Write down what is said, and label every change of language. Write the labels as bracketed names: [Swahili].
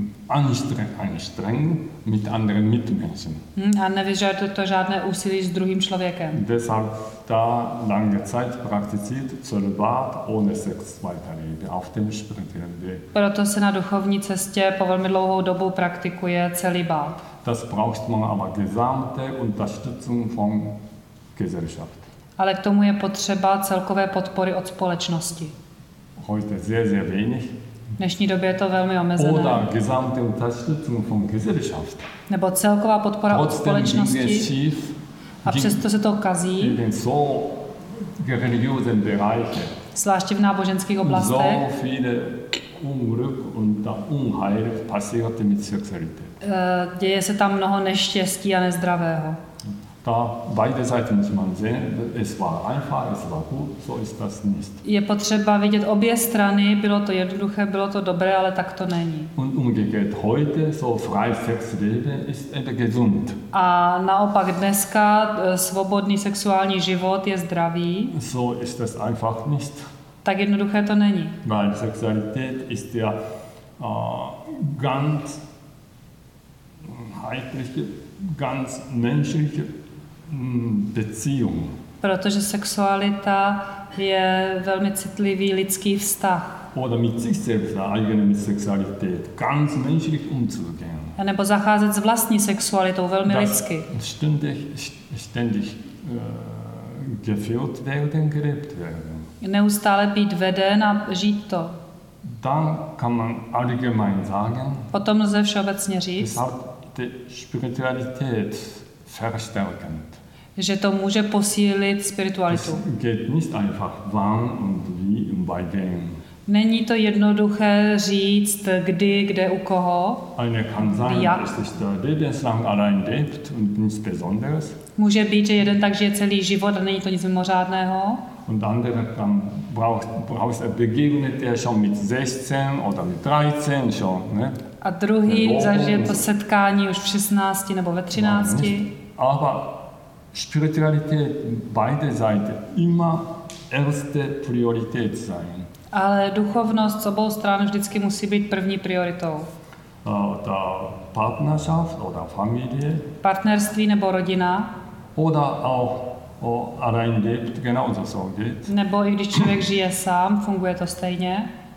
[German] anstrengend mit anderen Mitmenschen. [Czech] A nevyžaduje to žádné úsilí s druhým člověkem. [German] Deshalb da lange Zeit praktiziert Zölibat ohne Sex weiterlebe auf dem spirituellen Weg. [Czech] Proto se na duchovní cestě po velmi dlouhou dobu praktikuje celibát. [German] Das braucht man aber gesamte Unterstützung von Gesellschaft. [Czech] Ale k tomu je potřeba celkové podpory od společnosti. [German] Heute sehr, sehr wenig. [Czech] V dnešní době je to velmi omezené. [German] Oder gesamte Unterstützung von Gesellschaft. [Czech] Nebo celková podpora [German] trotzdem [Czech] od společnosti. [German] Ging es schief, [Czech] a přesto se to kazí. [German] In den so religiösen Bereichen. [Czech] Zvláště v náboženských oblastech. [German] So viele Unglück und Unheil passiert mit Sexualität. [Czech] Děje se tam mnoho neštěstí a nezdravého. [German] Da beide Seiten muss man sehen, es war einfach, es war gut, so ist das nicht. [Czech] Je potřeba vidět obě strany, bylo to jednoduché, bylo to dobré, ale tak to není. [German] Und umgekehrt heute, so frei Sex leben, ist eben gesund. [Czech] A naopak dneska svobodný sexuální život je zdravý. [German] So ist das einfach nicht. [Czech] Tak jednoduché to není. [German] Weil Sexualität ist ja ganz heitliche, ganz menschliche Beziehung. [Czech] Protože sexualita je velmi citlivý lidský vztah. [German] Oder mit sich selbst, der eigenen Sexualität, ganz menschlich umzugehen. [Czech] A nebo zacházet s vlastní sexualitou velmi lidsky. [German] Ständig gefühlt werden, gelebt werden. [Czech] Neustále být veden a žít to. [German] Dann kann man allgemein sagen, [Czech] potom lze všeobecně říct, [German] die Spiritualität verstärkend. [Czech] Že to může posílit spiritualitu. [German] Es geht nicht einfach wann und wie und bei wem. [Czech] Není to jednoduché říct, kdy, kde, u koho. [German] Eine kann sein, dass sich der lebenslang allein lebt und nichts Besonderes. [Czech] Může být, že jeden tak žije celý život a není to nic mimořádného. [German] Und andere dann braucht er begegnet er schon mit 16 oder mit 13 schon, ne? [Czech] A druhý zažije to setkání už v 16 nebo ve 13. [German] Aber Spiritualität beide Seiten immer erste Priorität sein. [Czech] Ale duchovnost z obou stran vždycky musí být první prioritou. [German] Da Partnerschaft oder Familie. [Czech] Partnerství nebo rodina. [German] Oder auch allein lebt, genauso so geht. [Czech] Nebo i když člověk žije sám, funguje to stejně.